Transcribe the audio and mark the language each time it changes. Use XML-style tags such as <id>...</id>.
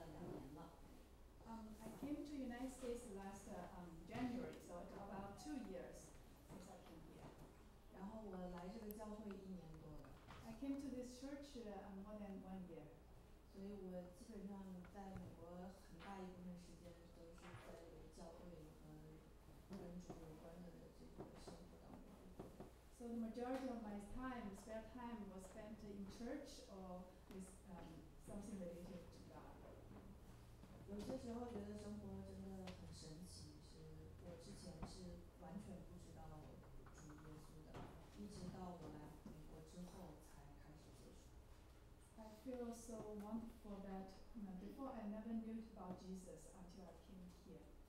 <en>I came to United States last January, so it's about 2 years since I came here.</en> <zh>然后我来这个教会一年多了。</zh> <en>I came to this church more than 1 year.</en> <zh>所以我基本上在美国很大一部分时间都是在教会和跟主有关的这个生活当中。</zh> <en>So the majority of my time, spare time, was spent in church or with something related to God.</en> <zh>有些时候觉得生活真的很神奇，是我之前是完全不知道主耶稣的，一直到我来美国之后才开始接触。</zh> <en>I feel so wonderful that before I never knew about Jesus until I came here.</en>